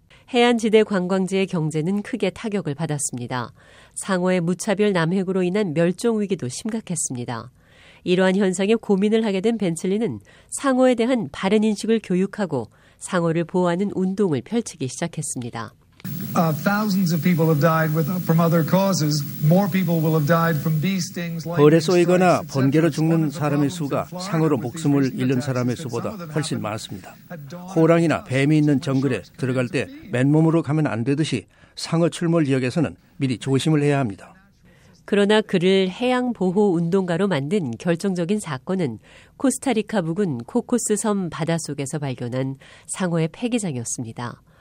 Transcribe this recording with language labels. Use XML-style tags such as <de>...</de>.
<ko>해안지대 관광지의 경제는 크게 타격을 받았습니다. 상어의 무차별 남획으로 인한 멸종 위기도 심각했습니다. 이러한 현상에 고민을 하게 된 벤틀리는 상어에 대한 바른 인식을 교육하고 상어를 보호하는 운동을 펼치기 시작했습니다.</ko> <en>Thousands of people have died from other causes. More people will have died from bee stings.</en> <ko>벌에 쏘이거나 번개로 죽는 사람의 수가 상어로 목숨을 잃는 사람의 수보다 훨씬 많습니다. 호랑이나 뱀이 있는 정글에 들어갈 때 맨몸으로 가면 안 되듯이 상어 출몰 지역에서는 미리 조심을 해야 합니다. 그러나 그를 해양 보호 운동가로 만든 결정적인 사건은 코스타리카 부근 코코스 섬 바닷속에서 발견한 상어의 폐기장이었습니다.</ko>